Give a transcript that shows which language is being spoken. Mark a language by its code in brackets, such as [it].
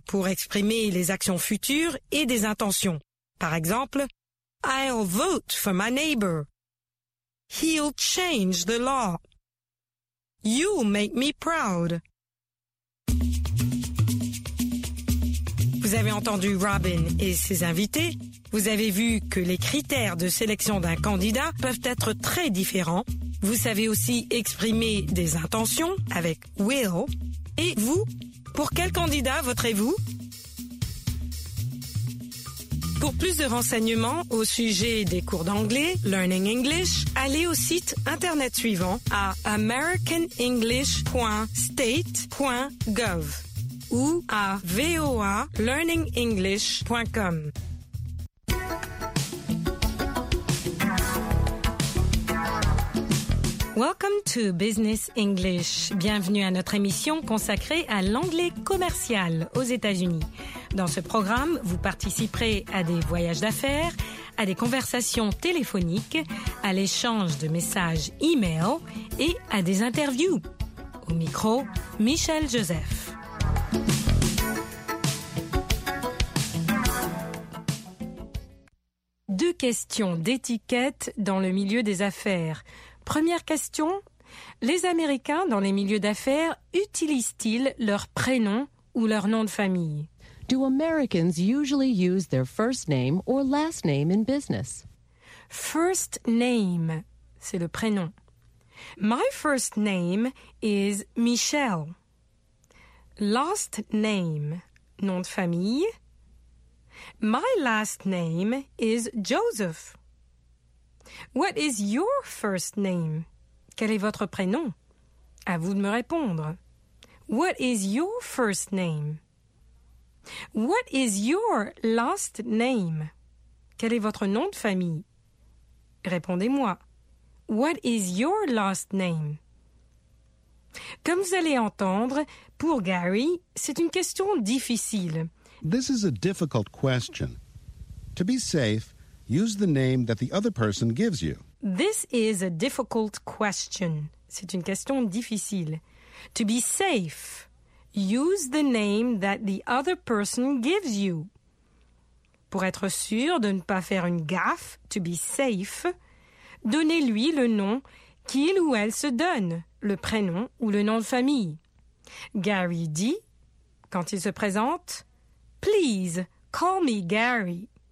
[fr] pour exprimer les actions futures et des intentions. Par exemple, [en] I'll vote for my neighbor. He'll change the law. You make me proud. [fr] Vous avez entendu Robin et ses invités. Vous avez vu que les critères de sélection d'un candidat peuvent être très différents. Vous savez aussi exprimer des intentions avec will. Et vous, pour quel candidat voterez-vous? Pour plus de renseignements au sujet des cours d'anglais, Learning English, allez au site Internet suivant à americanenglish.state.gov ou à voalearningenglish.com. [en] Welcome to Business English. [fr] Bienvenue à notre émission consacrée à l'anglais commercial aux États-Unis. Dans ce programme, vous participerez à des voyages d'affaires, à des conversations téléphoniques, à l'échange de messages e-mail et à des interviews. Au micro, Michel Joseph. Deux questions d'étiquette dans le milieu des affaires. Première question, les Américains dans les milieux d'affaires utilisent-ils leur prénom ou leur nom de famille? [en] Do Americans usually use their first name or last name in business? First name, [fr] c'est le prénom. [en] My first name is Michel. Last name, [fr] nom de famille. [en] My last name is Joseph. What is your first name? [fr] Quel est votre prénom? À vous de me répondre. [en] What is your first name? What is your last name? [fr] Quel est votre nom de famille? Répondez-moi. [en] What is your last name? [fr] Comme vous allez entendre, pour Gary, c'est une question difficile. [en] This is a difficult question. To be safe, use the name that the other person gives you. This is a difficult question. [fr] C'est une question difficile. [en] To be safe, use the name that the other person gives you. [fr] Pour être sûr de ne pas faire une gaffe, [en] to be safe, [fr] donnez-lui le nom qu'il ou elle se donne, le prénom ou le nom de famille. Gary dit, quand il se présente, [en] Please, call me Gary.